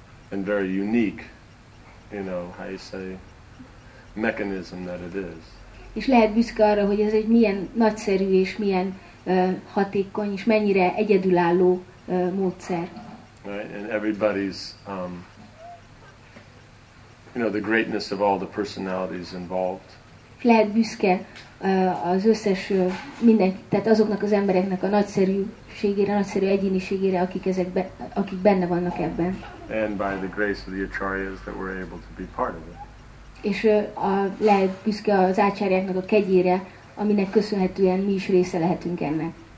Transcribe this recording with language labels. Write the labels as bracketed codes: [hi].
[en] and very unique, you know, how you say, mechanism that it is. [hu] És lehet büszke arra, hogy ez egy milyen nagyszerű és milyen hatékony és mennyire egyedülálló módszer. [en] Right, and everybody's, you know, the greatness of all the personalities involved. [hu] Lehet büszke az összes mindenki, tehát azoknak az embereknek a nagyszerűségére, nagyszerű egyéniségére, akik ezek be, akik benne vannak ebben. [en] And by the grace of the acharyas that we're able to be part of it. [hu] És lehet büszke az ácsáriáknak a kegyére, aminek köszönhetően mi is része lehetünk ennek.